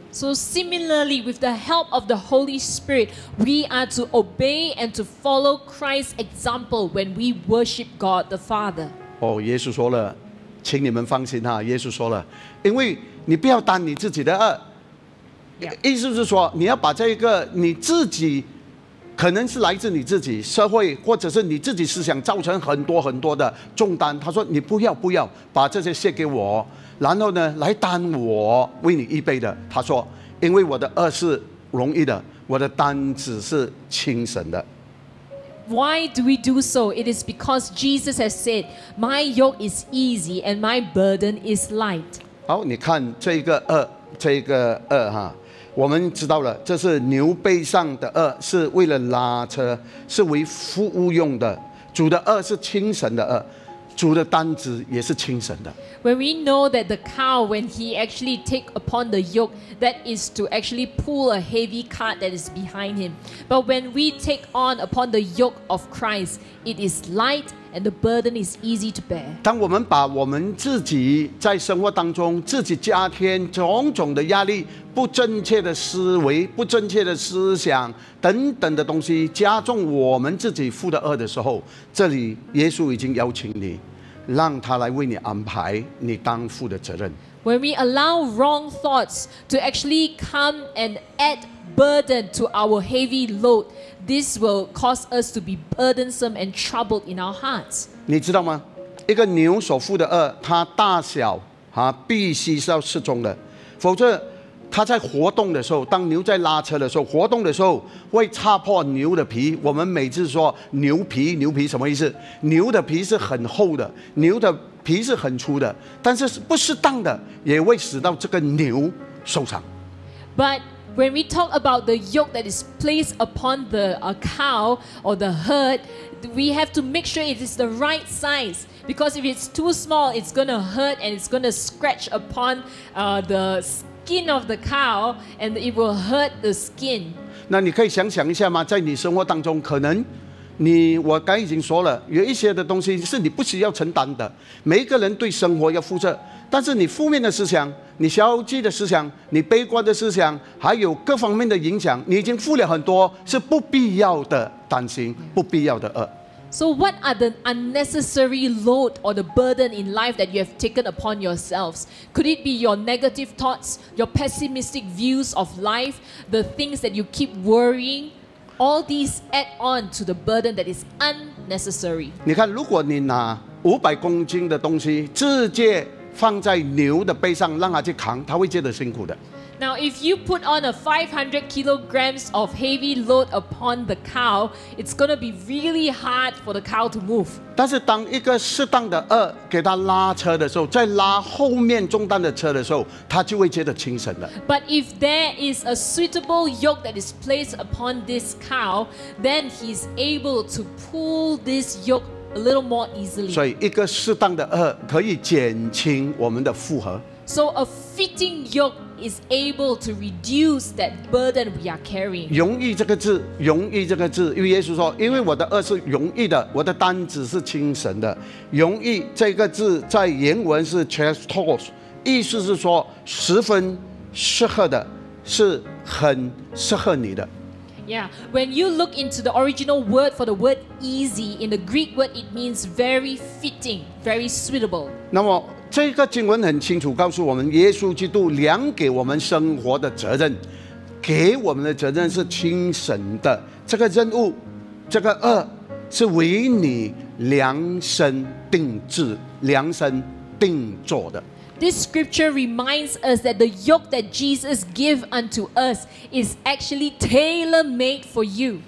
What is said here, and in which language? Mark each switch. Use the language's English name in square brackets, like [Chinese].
[English] So similarly, with the help of the Holy Spirit, we are to obey and to follow Christ's example when we worship God the Father. [Chinese] 哦，耶稣说了，请你们放心哈，耶稣说了，因为你不要担你自己的轭。意思是说，你要把这个你自己，可能是来自你自己社会，或者是你自己思想造成很多很多的重担。他说，你不要把这些卸给我。然后呢，来担我为你预备的。他说，因为我的轭是容易的，我的担子是轻省的。 [English] Why do we do so? It is because Jesus has said, "My yoke is easy and my burden is light." [Chinese] 好，你看这个轭，这个轭哈，我们知道了，这是牛背上的轭，是为了拉车，是为服务用的。主的轭是轻省的轭。主的担子也是轻省的。 [English] When we know that the cow, when he actually take upon the yoke, that is to actually pull a heavy cart that is behind him. But when we take on upon the yoke of Christ, it is light and the burden is easy to bear. [Chinese] 当我们把我们自己在生活当中自己加添种种的压力，不正确的思维，不正确的思想等等的东西加重我们自己负的轭的时候，这里耶稣已经邀请你，让他来为你安排你当负的责任。 [English] When we allow wrong thoughts to actually come and add burden to our heavy load, this will cause us to be burdensome and troubled in our hearts. [Chinese] 你知道吗？一个牛所负的轭，它大小啊，必须是要适中的，否则它在活动的时候，当牛在拉车的时候，活动的时候会擦破牛的皮。我们每次说牛皮，牛皮什么意思？牛的皮是很厚的，牛的皮是很粗的，但是不适当的也会使到这个牛受伤。 [English] But when we talk about the yoke that is placed upon the cow or the herd, we have to make sure it is the right size. Because if it's too small, it's going to hurt and it's going to scratch upon the skin of the cow and it will hurt the skin. [Chinese] 那你可以想想一下吗？在你生活当中，可能你我刚已经说了，有一些的东西是你不需要承担的。每一个人对生活要负责，但是你负面的思想，你消极的思想，你悲观的思想，还有各方面的影响，你已经负了很多，是不必要的担心，不必要的轭。 [English] So what are the unnecessary load or the burden in life that you have taken upon yourselves? Could it be your negative thoughts, your pessimistic views of life, the things that you keep worrying? All these add on to the burden that is unnecessary. [Chinese] 你看，如果你拿500公斤的东西直接放在牛的背上让它去扛，它会觉得辛苦的。 [English] Now, if you put on a 500 kilograms of heavy load upon the cow, it's going to be really hard for the cow to move. [Chinese] 但是当一个适当的轭给它拉车的时候，在拉后面重担的车的时候，它就会觉得轻省的。 [English] But if there is a suitable yoke that is placed upon this cow, then he's able to pull this yoke a little more easily. [Chinese] 所以一个适当的轭可以减轻我们的负荷。 [English] So a fitting yoke is able to reduce that burden we are carrying. [Chinese] 容易这个字，容易这个字，因为耶稣说，因为我的轭是容易的，我的担子是轻省的。容易这个字在原文是 chastos， 意思是说十分适合的，是很适合你的。 [English] Yeah, when you look into the original word for the word easy in the Greek word, it means very fitting, very suitable. [Chinese] 那么这个经文很清楚告诉我们，耶稣基督量给我们生活的责任，给我们的责任是轻省的。这个任务，这个轭是为你量身定制、量身定做的。 [English] This scripture reminds us that the yoke that Jesus gave unto us is actually tailor-made for you.